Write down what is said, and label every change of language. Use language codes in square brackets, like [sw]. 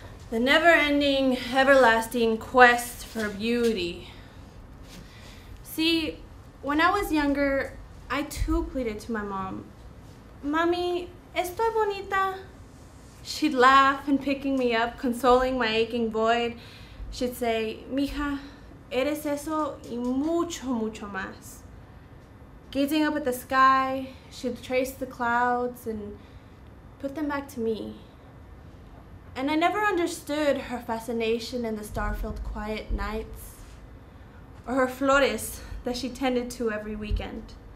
[en] The never-ending, everlasting quest for beauty. See, when I was younger, I too pleaded to my mom, "Mommy, [es] estoy bonita." [en] She'd laugh and picking me up, consoling my aching void. She'd say, [es] "Mija, eres eso y mucho, mucho más." [en] Gazing up at the sky, she'd trace the clouds and put them back to me. And I never understood her fascination in the star-filled quiet nights, or her flores that she tended to every weekend.